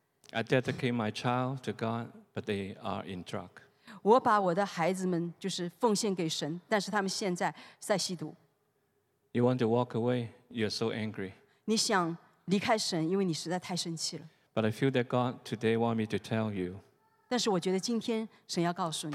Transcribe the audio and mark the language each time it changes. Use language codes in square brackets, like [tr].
[en] I dedicate my child to God, but they are in drug. [zh] 我把我的孩子们就是奉献给神，但是他们现在在吸毒。 [en] You want to walk away, you're so angry. [zh] 你想离开神，因为你实在太生气了。 [en] But I feel that God today want me to tell you. [zh] 但是我觉得今天神要告诉你。